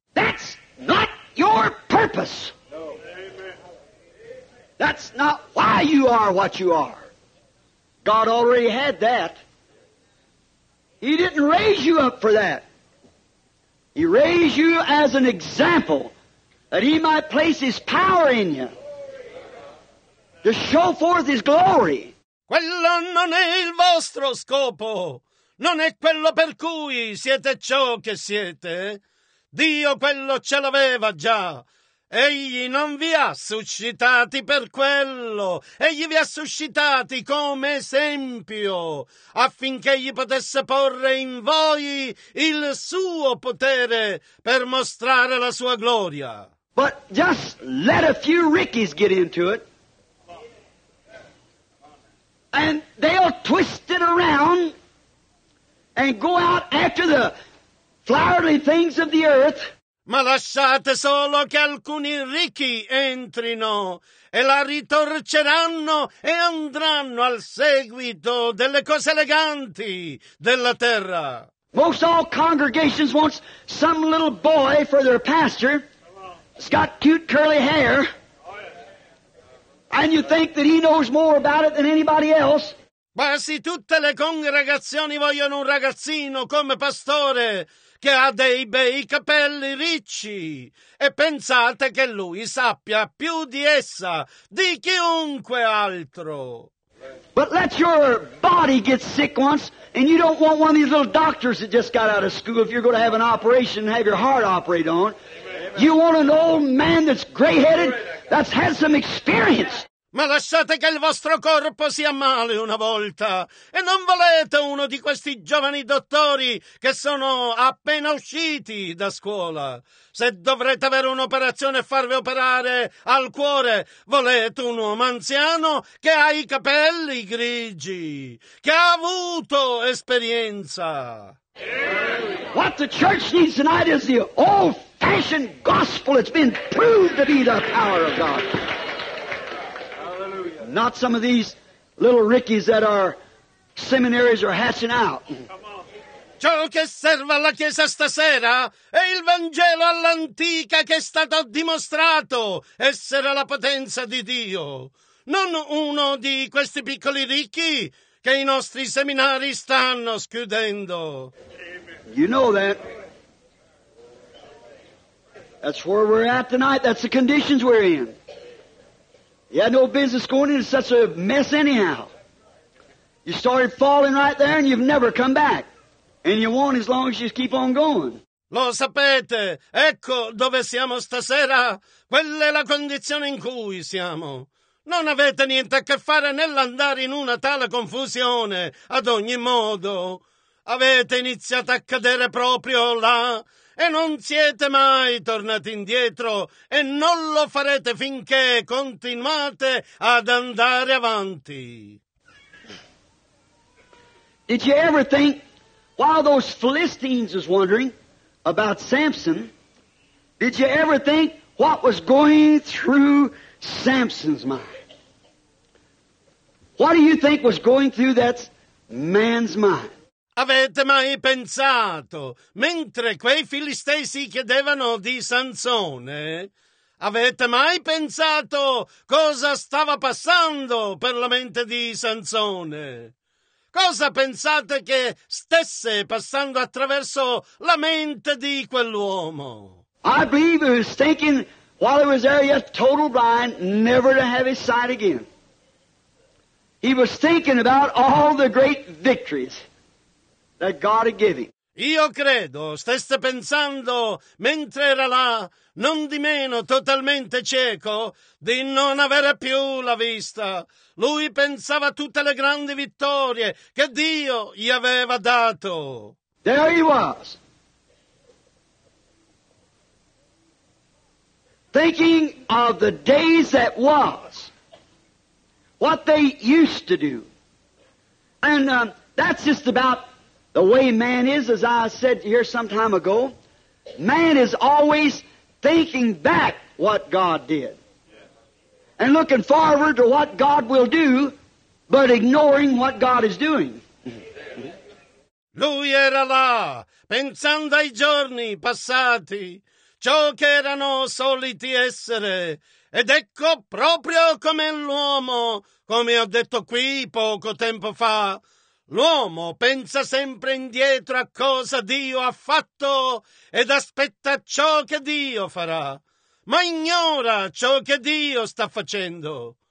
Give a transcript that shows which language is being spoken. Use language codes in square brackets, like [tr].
[en] That's not your purpose. No. Amen. That's not why you are what you are. God already had that. He didn't raise you up for that. He raised you as an example that he might place his power in you to show forth his glory. [it] Quello non è il vostro scopo. Non è quello per cui siete ciò che siete. Dio quello ce l'aveva già. Egli non vi ha suscitati per quello. Egli vi ha suscitati come esempio, affinché egli potesse porre in voi il suo potere per mostrare la sua gloria. [en] But just let a few rickies get into it, and they'll twist it around and go out after the flowery things of the earth. [it] Ma lasciate solo che alcuni ricchi entrino e la ritorceranno e andranno al seguito delle cose eleganti della terra. [en] Most all congregations want some little boy for their pastor. He's got cute curly hair. And you think that he knows more about it than anybody else. [it] Quasi tutte le congregazioni vogliono un ragazzino come pastore che ha dei bei capelli ricci e pensate che lui sappia più di essa, di chiunque altro. [en] But let your body get sick once and you don't want one of these little doctors that just got out of school if you're going to have an operation and have your heart operated on. You want an old man that's gray-headed, that's had some experience. [it] Ma lasciate che il vostro corpo sia male una volta e non volete uno di questi giovani dottori che sono appena usciti da scuola. Se dovrete avere un'operazione e farvi operare al cuore, volete un uomo anziano che ha i capelli grigi, che ha avuto esperienza. [en] What the church needs tonight is the old-fashioned gospel that's been proved to be the power of God. Not some of these little rickies that our seminaries are hatching out. [it] Ciò che serve alla Chiesa stasera è il Vangelo all'antica che è stato dimostrato essere la potenza di Dio. Non uno di questi piccoli ricchi che i nostri seminari stanno schiudendo. [en] You know that. That's where we're at tonight. That's the conditions we're in. You had no business going into such a mess anyhow. You started falling right there and you've never come back. And you won't as long as you keep on going. [it] Lo sapete, ecco dove siamo stasera. Quella è la condizione in cui siamo. Non avete niente a che fare nell'andare in una tale confusione. Ad ogni modo, avete iniziato a cadere proprio là. E non siete mai tornati indietro e non lo farete finché continuate ad andare avanti. [en] Did you ever think, while those Philistines was wondering about Samson, did you ever think what was going through Samson's mind? What do you think was going through that man's mind? [it] Avete mai pensato, mentre quei filistei si chiedevano di Sansone, avete mai pensato cosa stava passando per la mente di Sansone? Cosa pensate che stesse passando attraverso la mente di quell'uomo? [en] I believe he was thinking, while he was there, yet total blind, never to have his sight again. He was thinking about all the great victories that God had given. [it] Io credo stesse pensando mentre era là, non di meno totalmente cieco, di non avere più la vista. Lui pensava a tutte le grandi vittorie che Dio gli aveva dato. [en] There he was, thinking of the days that was, what they used to do. And that's just about the way man is, as I said here some time ago. Man is always thinking back what God did and looking forward to what God will do, but ignoring what God is doing. [it] Lui era là, pensando ai giorni passati, ciò che erano soliti essere, ed ecco proprio come l'uomo, come ho detto qui poco tempo fa, l'uomo pensa sempre indietro a cosa Dio ha fatto ed aspetta ciò che Dio farà, ma ignora ciò che Dio sta facendo.